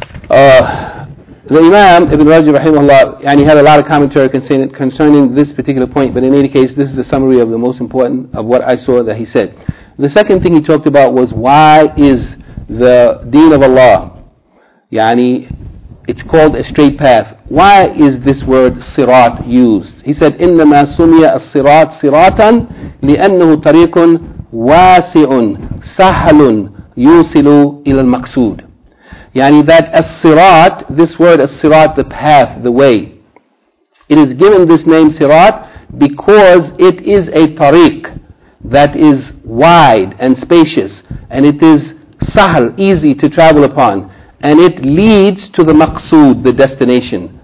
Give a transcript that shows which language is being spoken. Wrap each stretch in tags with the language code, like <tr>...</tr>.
<en>The Imam Ibn Rajab rahimahullah, and he had a lot of commentary concerning this particular point, but in any case, this is the summary of the most important of what I saw that he said. The second thing he talked about was, why is the deen of Allah, yani, It's called a straight path. Why is this word sirat used? He said,</en> <ar>إِنَّمَا سُمِيَ السِّرَاطِ سِرَاطًا لِأَنَّهُ طَرِيقٌ وَاسِعٌ سَحَلٌ يُوصِلُ إِلَى الْمَقْسُودِ.</ar> <en>Yani that as-sirat, this word as-sirat, the path, the way. It is given this name sirat because it is a tariq that is wide and spacious, and it is sahal, easy to travel upon, and it leads to the maqsood, the destination.</en>